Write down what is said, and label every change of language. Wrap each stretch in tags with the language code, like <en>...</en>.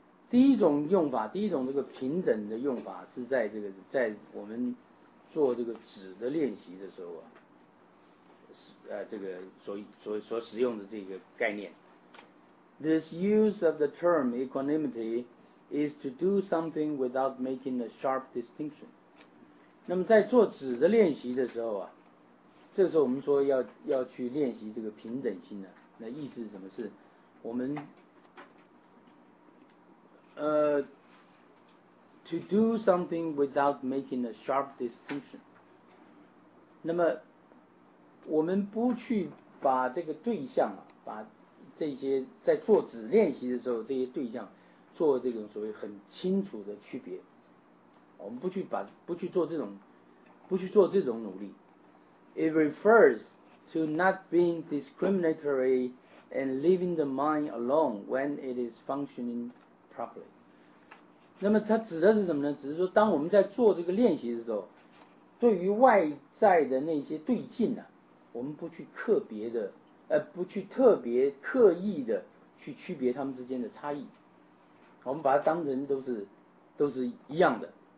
<zh>第一种用法，第一种这个平等的用法是在这个在我们做这个止的练习的时候啊，这个所使用的这个概念。</zh> <en>This use of the term equanimity is to do something without making a sharp distinction.</en> <zh>那么在做止的练习的时候啊，这个时候我们说要去练习这个平等心呢，那意思是什么？是我们</zh> <en>to do something without making a sharp distinction.</en> <zh>那么我们不去把这个对象啊，把这些在做止练习的时候这些对象做这种所谓很清楚的区别，我们不去做这种努力。</zh> <en>It refers to not being discriminatory and leaving the mind alone when it is functioning properly.</en> <zh>那么它指的是什么呢？只是说当我们在做这个练习的时候，对于外在的那些对境呢，我们不去特别的不去特别刻意的去区别他们之间的差异，我们把它当成都是一样的。</zh>